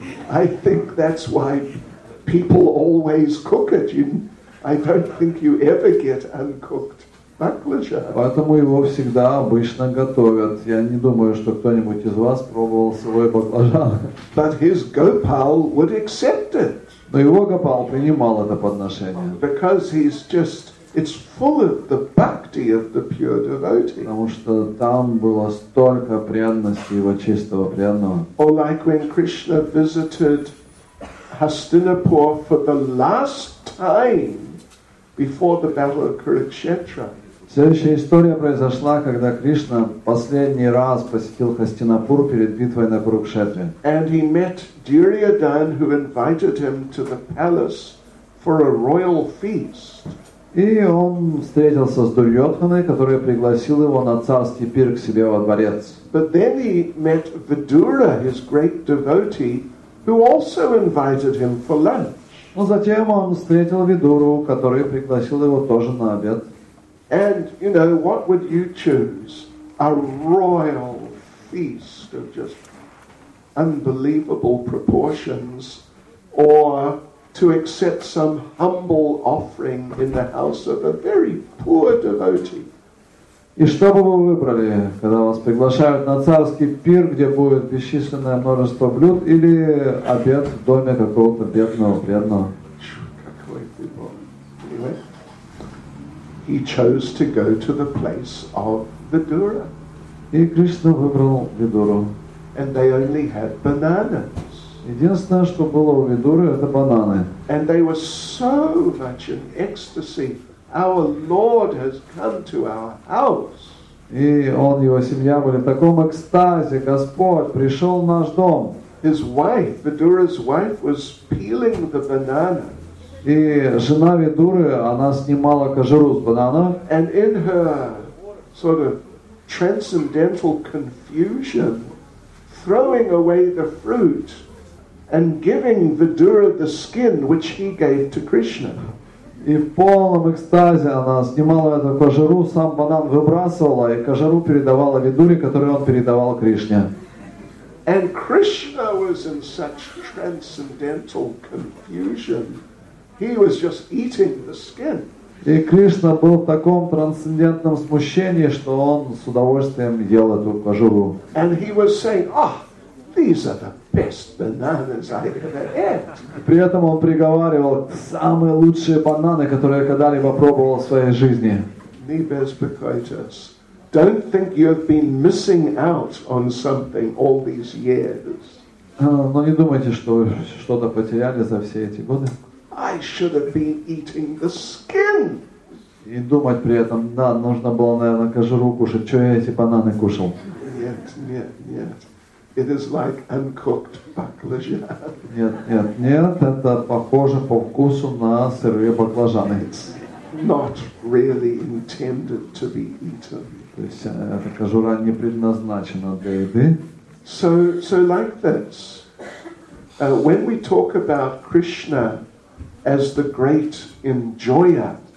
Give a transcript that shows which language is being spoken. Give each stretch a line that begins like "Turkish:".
English: I think that's why people always cook it. I don't think you ever get uncooked baklajan.
Russian: Поэтому его всегда обычно готовят. Я не думаю, что кто-нибудь из вас пробовал сырой баклажан.
English: But his Gopal would accept it.
Russian: Но его Гопал принимал это подношение.
English: Because he's just it's full of the bhakti of the pure devotee.
Russian: Потому что там было столько преданности его чистого преданного.
English: Or like when Krishna visited Hastinapur for the last time before the battle of Kurukshetra.
Russian: Следующая история произошла, когда Кришна последний раз посетил Хастинапур перед битвой на Курукшетре.
English: And he met Duryodhan, who invited him to the palace for a royal feast.
Russian: И он встретился с Дурьотханой, который пригласил его на царский пир к себе во дворец.
English: But then he met Vidura, his great devotee, who also invited him for lunch.
Russian: Но затем он встретил Видуру, который пригласил его тоже на обед.
English: And you know what would you choose? A royal feast of just unbelievable proportions, or to accept some humble offering in the house of a very poor devotee.
Russian: И что бы вы выбрали, когда вас приглашают на царский пир, где будет бесчисленное множество блюд, или обед в доме какого-то бедного, бедного?
English: Anyway, he chose to go to the place of Vidura.
Russian: И Кришна выбрал Видуру.
English: And they only had bananas.
Russian: Единственное, что было у Видуры, это бананы.
English: And they were so much in ecstasy. Our Lord has come to our house.
Russian: И он и его семья были в таком экстазе. Господь пришел в наш дом.
English: His wife, Vidura's wife, was peeling the bananas.
Russian: И жена Видуры, она снимала кожуру с бананов.
English: And in her sort of transcendental confusion, throwing away the fruit and giving Vidura the skin which he gave to Krishna.
Russian: И в полном экстазе она снимала эту кожуру, сам банан выбрасывала, и кожуру передавала Видуре, которую он передавал Кришне.
English: And Krishna was in such transcendental confusion. He was just eating the skin.
Russian: И Кришна был в таком трансцендентном смущении, что он с удовольствием ел эту кожуру.
English: And he was saying, oh, these are the best bananas I've ever had.
Russian: При этом он приговаривал самые лучшие бананы, которые я когда-либо пробовал в своей жизни. Не беспокойтесь.
English: Don't think you've been missing out on something all these years.
Russian: Но не думайте, что вы что-то потеряли за все эти годы.
English: I should have been eating the skin.
Russian: И думать при этом, да, нужно было, наверное, кожуру кушать. Чего я эти бананы кушал? Нет.
English: It is like uncooked baklajan.
Russian: Нет, это похоже по вкусу на сырые баклажаны.
English: It's not really intended to be eaten.
Russian: То есть эта кожура не предназначена для еды.
English: So like this, when we talk about Krishna as the great enjoyer,